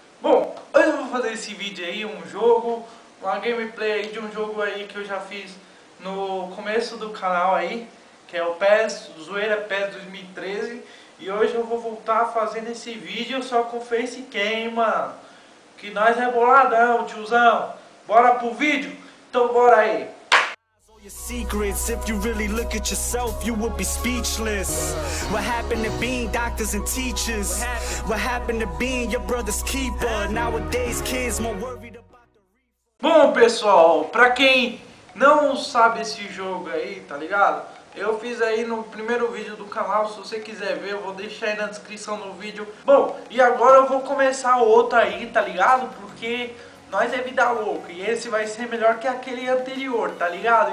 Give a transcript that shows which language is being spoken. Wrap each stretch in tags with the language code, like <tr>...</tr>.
<pt>Bom, hoje eu vou fazer esse vídeo aí, um jogo, uma gameplay aí de um jogo aí que eu já fiz no começo do canal aí, que é o PES, Zoeira PES 2013. E hoje eu vou voltar fazendo esse vídeo só com facecam, mano. Que nós é boladão, tiozão. Bora pro vídeo? Então bora aí.</pt> <en>Secrets, if you really look at yourself, you would be speechless. What happened to being doctors and teachers? What happened to being your brother's keeper? Nowadays, kids more worried about the...</en> <pt>Bom, pessoal, pra quem não sabe esse jogo aí, tá ligado? Eu fiz aí no primeiro vídeo do canal, se você quiser ver, eu vou deixar aí na descrição do vídeo. Bom, e agora eu vou começar outro aí, tá ligado? Porque... nós é vida louca e esse vai ser melhor que aquele anterior, tá ligado?</pt>